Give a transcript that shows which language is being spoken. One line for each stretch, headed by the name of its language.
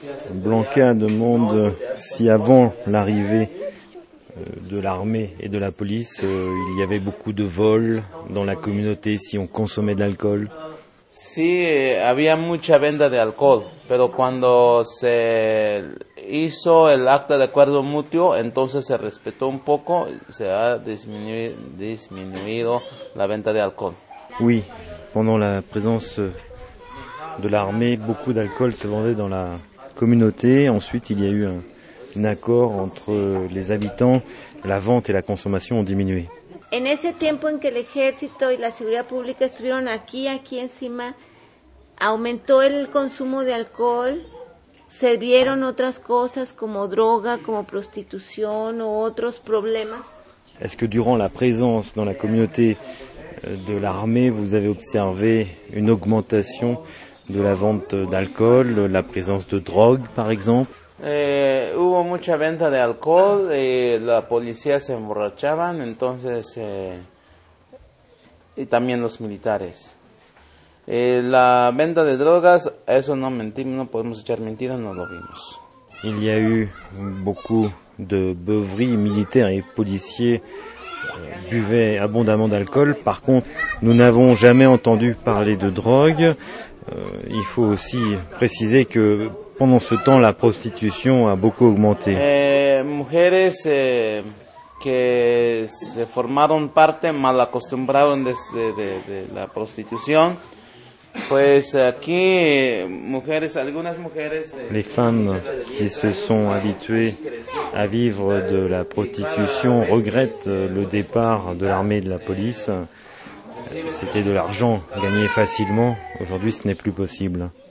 French: Blanca demande si avant l'arrivée de l'armée et de la police, il y avait beaucoup de vols dans la communauté, si on consommait de l'alcool.
Spanish: Sí, había mucha venta de alcohol, pero cuando se hizo el acta de acuerdo mutuo, entonces se respetó un poco, se ha disminuido la venta de alcohol.
French: Oui, pendant la présence de l'armée, beaucoup d'alcool se vendait dans la communauté. Ensuite, il y a eu un accord entre les habitants, la vente et la consommation ont diminué.
Spanish: En ese tiempo en que el ejército y la seguridad pública estuvieron aquí encima, aumentó el consumo de alcohol, se vieron otras cosas como droga, como prostitución o otros problemas.
French: Est-ce que durant la présence dans la communauté de l'armée, vous avez observé une augmentation de la vente d'alcool, la présence de drogue par exemple?
Spanish: Hubo mucha venta de alcohol y la policía se emborrachaban, entonces, y también los militares. La venta de drogas, eso no mentimos, no podemos echar mentiras, no lo vimos.
French: Il y a eu beaucoup de beuveries, militaires et policiers buvaient abondamment d'alcool. Par contre, nous n'avons jamais entendu parler de drogue. Il faut aussi préciser que pendant ce temps, la prostitution a beaucoup augmenté.
Spanish: Mujeres que se formaron parte mal acostumbraron de la prostitución. Pues aquí mujeres, algunas mujeres.
French: Les femmes qui se sont habituées à vivre de la prostitution regrettent le départ de l'armée et de la police. C'était de l'argent gagné facilement. Aujourd'hui, ce n'est plus possible.